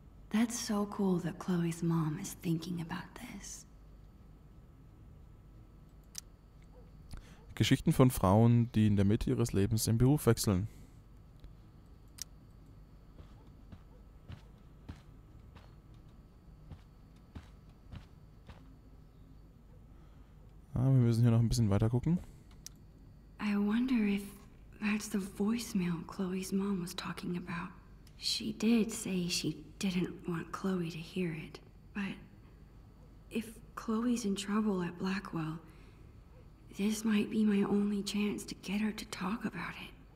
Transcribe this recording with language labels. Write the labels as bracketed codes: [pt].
[en] That's so cool that Chloe's mom is thinking about this. [de] Geschichten von Frauen, die in der Mitte ihres Lebens den Beruf wechseln. Ah, wir müssen hier noch ein bisschen weiter gucken. [en] I wonder if that's the voicemail Chloe's mom was talking about. She did say she didn't want Chloe to hear it. But if Chloe's in trouble at Blackwell, this might be my only chance to get her to talk about it.